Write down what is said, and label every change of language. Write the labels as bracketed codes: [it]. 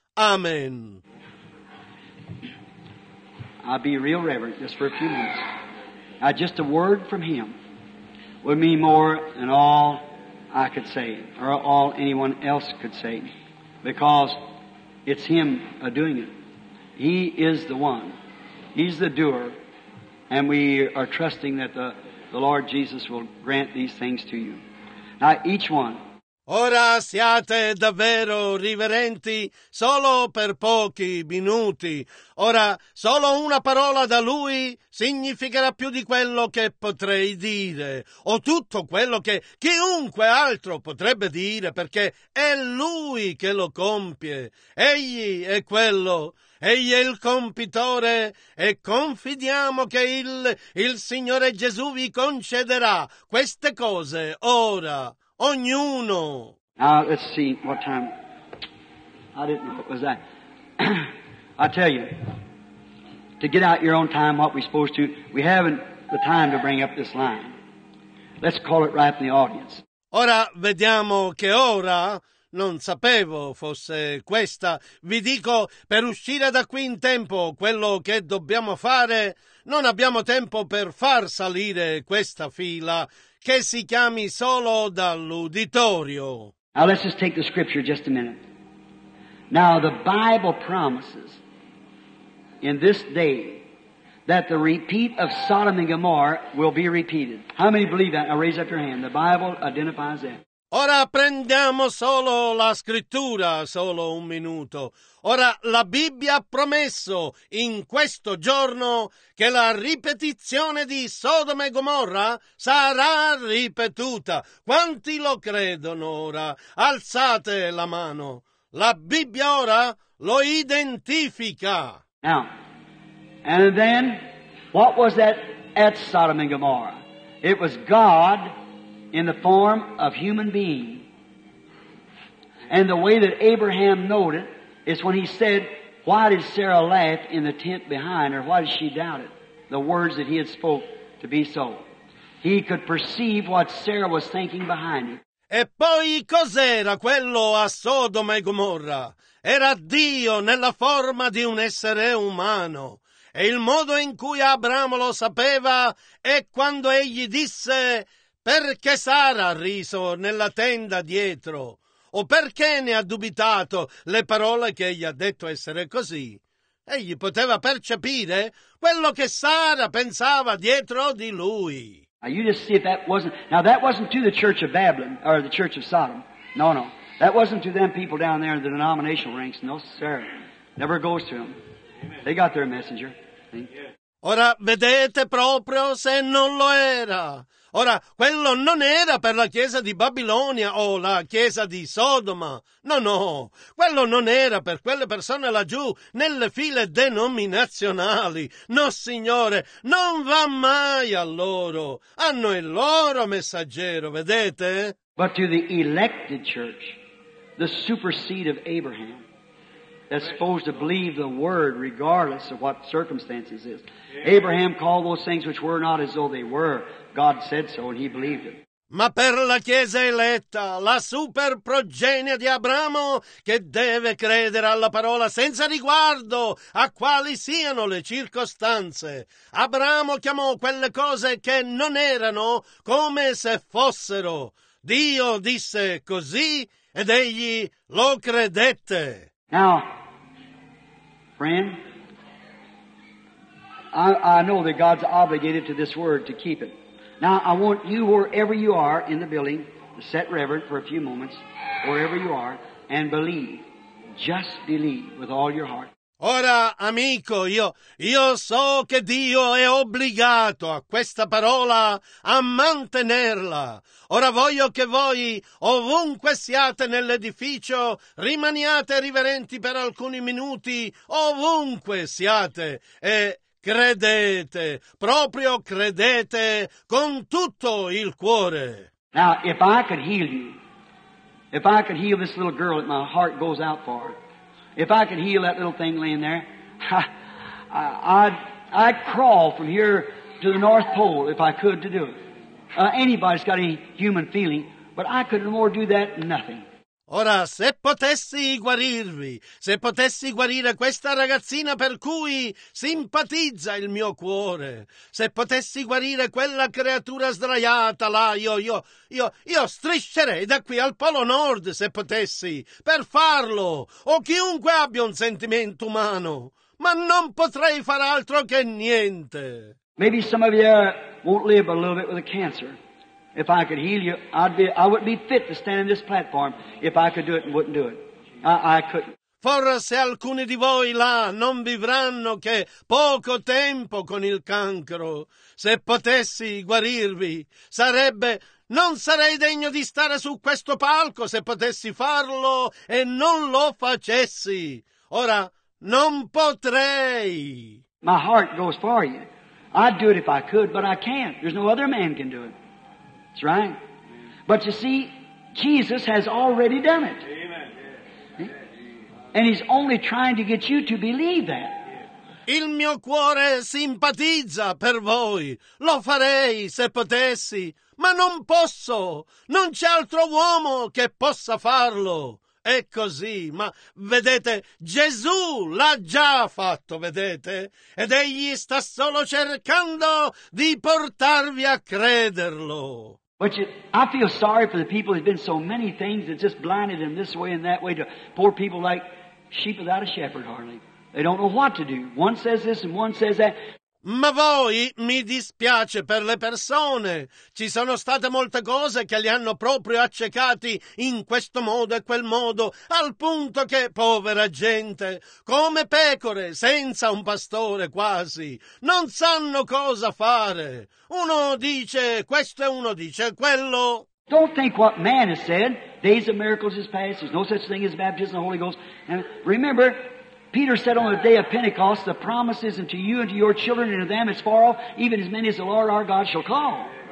[en] Amen. I'll be real reverent just for a few minutes. Now, just a word from him would mean more than all I could say or all anyone else could say, because it's him doing it. He is the one. He's the doer. And we are trusting that the Lord Jesus will grant these things to you. Now, each one. [it] Ora siate davvero riverenti solo per pochi minuti. Ora, solo una parola da Lui significherà più di quello che potrei dire, o tutto quello che chiunque altro potrebbe dire, perché è Lui che lo compie. Egli è quello. Egli è il compitore e confidiamo che il Signore Gesù vi concederà queste cose ora, ognuno. [en] Now, let's see what time. I didn't know what was that. I tell you, to get out your own time, what we're supposed to, we haven't the time to bring up this line. Let's call it right in the audience. [it] Ora, vediamo che ora. Non sapevo fosse questa. Vi dico, per uscire da qui in tempo, quello che dobbiamo fare, non abbiamo tempo per far salire questa fila che si chiami solo dall'uditorio. [en] Now let's just take the scripture just a minute. Now the Bible promises in this day that the repeat of Sodom and Gomorrah will be repeated. How many believe that? Now raise up your hand. The Bible identifies that. [it] Ora prendiamo solo la scrittura, solo un minuto. Ora la Bibbia ha promesso in questo giorno che la ripetizione di Sodoma e Gomorra sarà ripetuta. Quanti lo credono ora? Alzate la mano. La Bibbia ora lo identifica. [en] Now, and then, what was that at Sodom and Gomorrah? It was God in the form of human being. And the way that Abraham knowed it is when he said, why did Sarah laugh in the tent behind her? Why did she doubt it? The words that he had spoke to be so. He could perceive what Sarah was thinking behind him. [it] E poi cos'era quello a Sodoma e Gomorra? Era Dio nella forma di un essere umano. E il modo in cui Abramo lo sapeva è quando egli disse: perché Sara ha riso nella tenda dietro? O perché ne ha dubitato le parole che egli ha detto essere così? Egli poteva percepire quello che Sara pensava dietro di lui. [en] Now you just see if that wasn't. Now that wasn't to the church of Babylon or the church of Sodom. No, no. That wasn't to them people down there in the denominational ranks. No, sir. Never goes to them. They got their messenger. [it] Ora vedete proprio se non lo era. Ora, quello non era per la chiesa di Babilonia o la chiesa di Sodoma. No, no. Quello non era per quelle persone laggiù, nelle file denominazionali. No, signore, non va mai a loro. Hanno il loro messaggero, vedete? [en] But to the elected church, the super seed of Abraham, that's supposed to believe the word regardless of what circumstances is. Abraham called those things which were not as though they were. God said so and he believed it. [it] Ma per la chiesa eletta, la super progenie di Abramo, che deve credere alla parola senza riguardo a quali siano le circostanze, Abramo chiamò quelle cose che non erano come se fossero. Dio disse così ed egli lo credette. [en] Now, friend, I know that God's obligated to this word to keep it. Now, I want you, wherever you are in the building, to sit reverent for a few moments, wherever you are, and believe. Just believe with all your heart. [it] Ora, amico, io so che Dio è obbligato a questa parola a mantenerla. Ora voglio che voi, ovunque siate nell'edificio, rimaniate riverenti per alcuni minuti, ovunque siate, e credete, proprio credete, con tutto il cuore. [en] Now, if I could heal you, if I could heal this little girl that my heart goes out for, if I could heal that little thing laying there, I'd crawl from here to the North Pole if I could to do it. Anybody's got any human feeling, but I couldn't more do that than nothing. [it] Ora, se potessi guarirvi, se potessi guarire questa ragazzina per cui simpatizza il mio cuore, se potessi guarire quella creatura sdraiata là, io striscerei da qui al Polo Nord, se potessi, per farlo, o chiunque abbia un sentimento umano, ma non potrei far altro che niente. [en] Maybe some of you won't live a little bit with a cancer. If I could heal you, I wouldn't be fit to stand on this platform if I could do it and wouldn't do it. I couldn't. [it] Forse alcuni di voi là non vivranno che poco tempo con il cancro. Se potessi guarirvi, sarebbe... Non sarei degno di stare su questo palco se potessi farlo e non lo facessi. Ora, non potrei. [en] My heart goes for you. I'd do it if I could, but I can't. There's no other man can do it. That's right. But you see, Jesus has already done it. And he's only trying to get you to believe that. [it] Il mio cuore simpatizza per voi. Lo farei se potessi, ma non posso. Non c'è altro uomo che possa farlo. È così, ma vedete, Gesù l'ha già fatto, vedete? Ed egli sta solo cercando di portarvi a crederlo. [en] But I feel sorry for the people. There's been so many things that just blinded them this way and that way to poor people like sheep without a shepherd, hardly. They don't know what to do. One says this and one says that. [it] Ma voi, mi dispiace per le persone. Ci sono state molte cose che li hanno proprio accecati in questo modo e quel modo, al punto che, povera gente, come pecore, senza un pastore quasi, non sanno cosa fare. Uno dice questo e uno dice quello. [en] Don't think what man has said. Days of miracles is past. There's no such thing as baptism of the Holy Ghost. And remember... Peter said on the day of Pentecost, the promises unto you and to your children and to them as far off, even as many as the Lord our God shall call.